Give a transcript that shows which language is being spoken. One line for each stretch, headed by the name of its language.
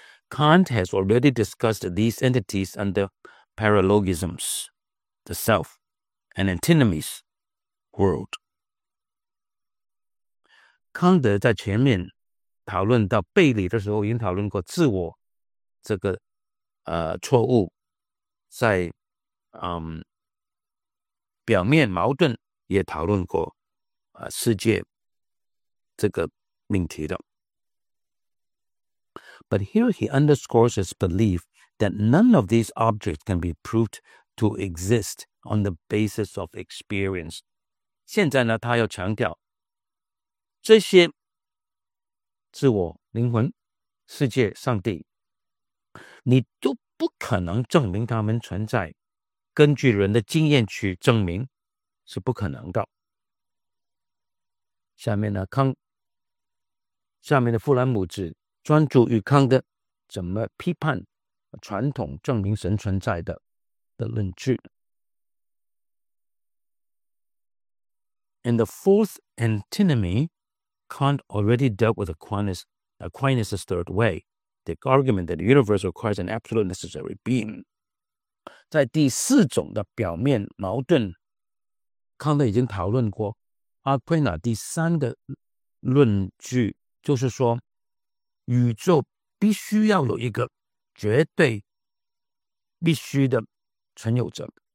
English: Kant has already discussed these entities under paralogisms, the self, and antinomies, world.
Chinese: 康德在前面讨论到背离的时候，已经讨论过自我这个错误，在表面矛盾也讨论过世界这个命题的。
English: But here he underscores his belief that none of these objects can be proved to exist on the basis of experience.
Chinese: 现在呢，他要强调这些自我、灵魂、世界、上帝，你都不可能证明他们存在，根据人的经验去证明是不可能的。下面呢，下面的弗兰姆子专注于康德怎么批判传统证明神存在的论据。
English: In the fourth antinomy, Kant already dealt with Aquinas' third way, the argument that the universe requires an absolute necessary being.
Chinese: 在第四种的表面矛盾，康德已经讨论过阿奎那第三个论据，就是说宇宙必须要有一个绝对必须的存有者。